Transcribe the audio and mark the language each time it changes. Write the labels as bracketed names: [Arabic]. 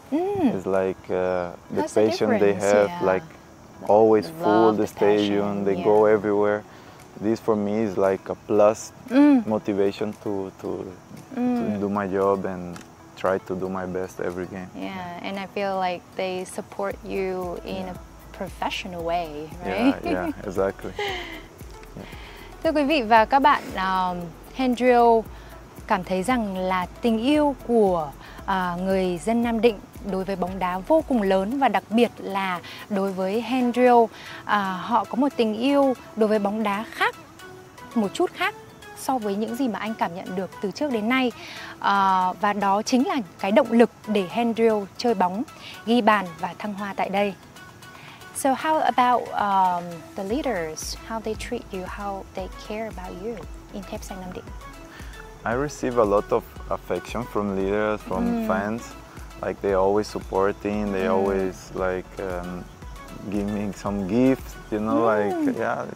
[English] It's like the passion they have, like always full the stadium, they go everywhere. This for me is like a plus motivation to do my job and try to do my best every game. Yeah, and I feel like they support you in a professional way, right? Yeah, exactly. [Vietnamese] Thưa quý vị và các bạn, Hendrio cảm thấy rằng là tình yêu của người dân Nam Định đối với bóng đá vô cùng lớn, và đặc biệt là đối với Hendrio, họ có một tình yêu đối với bóng đá khác, một chút khác so với những gì mà anh cảm nhận được từ trước đến nay. Và đó chính là cái động lực để Hendrio chơi bóng, ghi bàn và thăng hoa tại đây. [English] So how about the leaders? How they treat you? How they care about you in Thép Xanh Nam Định? I receive a lot of affection from leaders, from fans. Like, they always supporting, they always like give me some gifts, you know, like, yeah.